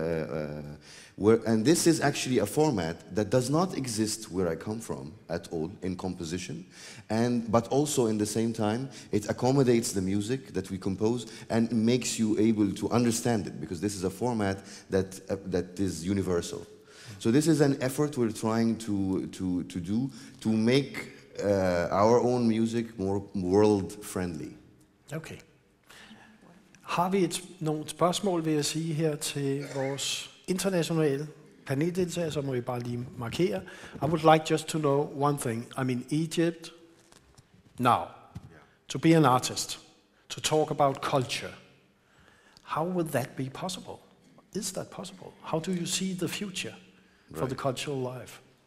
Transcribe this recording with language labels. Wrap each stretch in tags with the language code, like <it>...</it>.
<en>And this is actually a format that does not exist where I come from at all in composition, but also in the same time it accommodates the music that we compose and makes you able to understand it, because this is a format that is universal. So this is an effort we're trying to do to make our own music more world friendly. Okay.</en> <da>Har vi nogle spørgsmål, vil jeg sige, her til vores internationale paneldeltager, så må vi bare lige markere.</da> <en>I would like just to know one thing. I'm in Egypt now to be an artist, to talk about culture. How would that be possible? Is that possible? How do you see the future for the cultural life?</en>